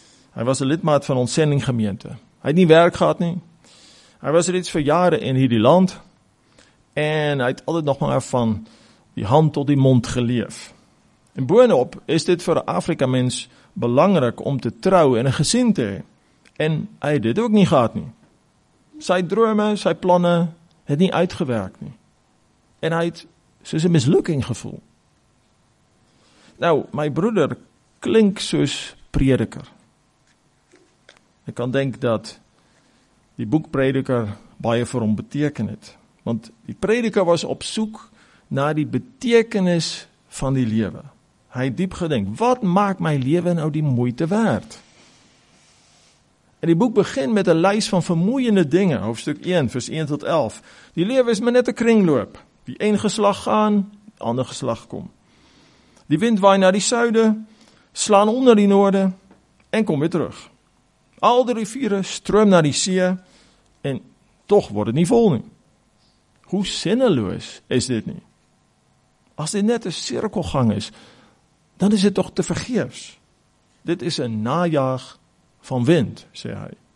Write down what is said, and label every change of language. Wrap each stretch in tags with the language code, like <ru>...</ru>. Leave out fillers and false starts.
<nl>Hij was een lidmaat van ons zendinggemeente. Hij had niet werk gehad nie. Hij was reeds voor jaren in hierdie land. En hij had altijd nog maar van die hand tot die mond geleef. En bovenop is dit voor de Afrika-mens belangrijk om te trouwen en een gezin te hebben. En hij deed dit ook niet gehad nie.</nl> <af>sy drome, sy planne, het nie uitgewerk nie. En hy het soos 'n mislukking gevoel. Nou, my broeder klink soos prediker. Ek kan denk dat die boek Prediker baie vir hom beteken het. Want die prediker was op soek na die betekenis van die lewe. Hy het diep gedink, wat maak my lewe nou die moeite werd? En die boek begin met 'n lys van vermoeiende dinge, hoofdstuk 1, vers 1 tot 11. Die lewe is maar net 'n kringloop. Die een geslag gaan, die ander geslag kom. Die wind waai na die suide, slaan onder die noorde en kom weer terug. Al die riviere stroom na die see en toch word het nie vol nie. Hoe sinneloos is dit nie? As dit net 'n sirkelgang is, dan is dit toch te vergeefs. Dit is 'n najaag van wind, sê hy.</af>